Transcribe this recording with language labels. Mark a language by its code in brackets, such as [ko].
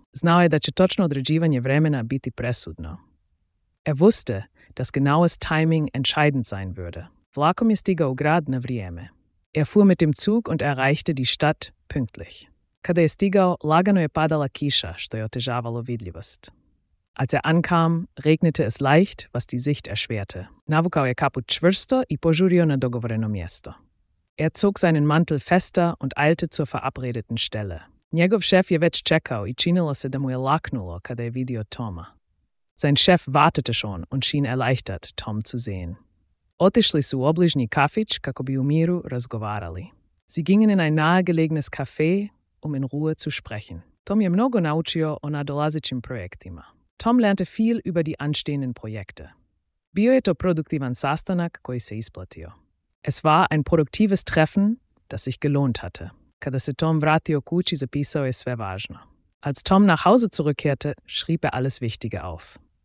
[hr] Znao je da će točno određivanje vremena biti presudno. [de] Er wusste, dass genaues Timing entscheidend sein würde. [hr] Vlakom je stigao u grad na vrijeme. [de] Er fuhr mit dem Zug und erreichte die Stadt pünktlich. [hr] Kada je stigao, lagano je padala kiša, što je otežavalo vidljivost. [de] Als er ankam, regnete es leicht, was die Sicht erschwerte. [hr] Navukao je kaput čvrsto i požurio na dogovoreno mjesto. [de] Er zog seinen Mantel fester und eilte zur verabredeten Stelle. [hr] Njegov šef je već čekao i činilo se da mu je laknulo, kada je vidio Toma. [de] Sein Chef wartete schon und schien erleichtert, Tom zu sehen. [hr] Otišli su u obližnji kafić kako bi u miru razgovarali. [de] Sie gingen in ein nahegelegenes Café, um in Ruhe zu sprechen. [hr] Tom je mnogo naučio o nadolazećim projektima. [de] Tom lernte viel über die anstehenden Projekte. [hr] Bio je to produktivan sastanak koji se isplatio. [de] Es war ein produktives Treffen, das sich gelohnt hatte. [hr] Kada se Tom vratio kući, zapisao je sve važno. [de] Als Tom nach Hause zurückkehrte, schrieb er alles Wichtige auf.